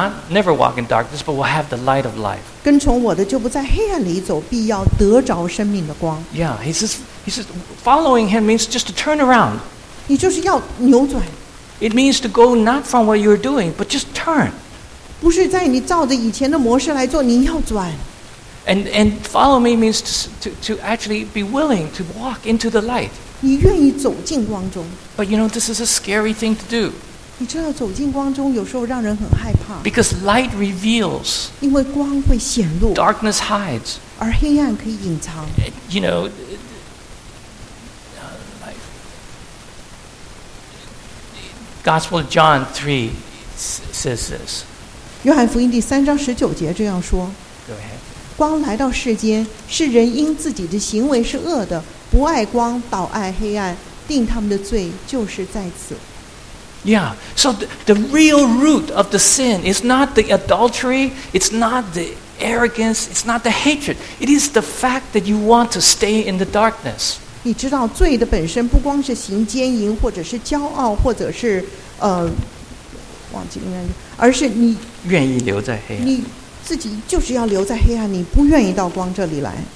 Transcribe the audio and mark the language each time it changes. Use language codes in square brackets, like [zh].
[en] Never walk in darkness, but will have the light of life. [zh] 跟从我的就不在黑暗里走，必要得着生命的光。 [en] Yeah, he says, following him means just to turn around. [zh] 你就是要扭转。 [en] It means to go not from what you're doing, but just turn. [zh] 不是在你照着以前的模式来做，你要转。 [en] And follow me means to actually be willing to walk into the light. [zh] 你愿意走进光中。 [en] But you know, this is a scary thing to do. [zh] 你知道走进光中有时候让人很害怕。 [en] Because light reveals. [zh] 因为光会显露。 [en] Darkness hides. [zh] 而黑暗可以隐藏。 [en] You know, Gospel of John 3 says this. [zh] 约翰福音第三章十九节这样说。 [en] Go ahead. [zh] 光来到世间，是人因自己的行为是恶的，不爱光，倒爱黑暗，定他们的罪就是在此。 [en] Yeah, so the real root of the sin is not the adultery, it's not the arrogance, it's not the hatred. It is the fact that you want to stay in the darkness. [zh] 你知道罪的本身不光是行奸淫或者是骄傲或者是忘记了，而是你愿意留在黑暗。你自己就是要留在黑暗，你不愿意到光这里来。